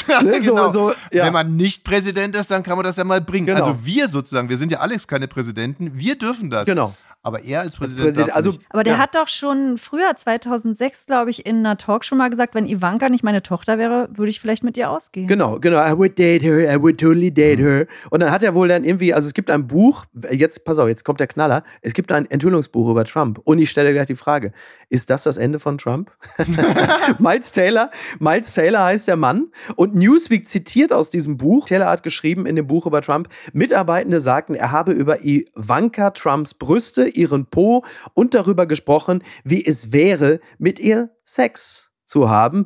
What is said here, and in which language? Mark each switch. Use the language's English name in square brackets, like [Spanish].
[German] ne, genau. Wenn man nicht Präsident ist, dann kann man das ja mal bringen. Genau. Also wir sozusagen, wir sind ja alles keine Präsidenten, wir dürfen das. Genau. Aber er als Präsident darf also, nicht. Aber der hat doch schon früher, 2006, glaube ich, in einer Talkshow mal gesagt, wenn Ivanka nicht meine Tochter wäre, würde ich vielleicht mit ihr ausgehen. Genau. [English] I would date her, I would totally date her. [German] Und dann hat er wohl dann irgendwie, also es gibt ein Buch, jetzt kommt der Knaller, es gibt ein Enthüllungsbuch über Trump. Und ich stelle gleich die Frage, ist das Ende von Trump? Miles Taylor heißt der Mann. Und Newsweek zitiert aus diesem Buch, Taylor hat geschrieben in dem Buch über Trump, Mitarbeitende sagten, er habe über Ivanka Trumps Brüste, ihren Po und darüber gesprochen, wie es wäre, mit ihr Sex zu haben.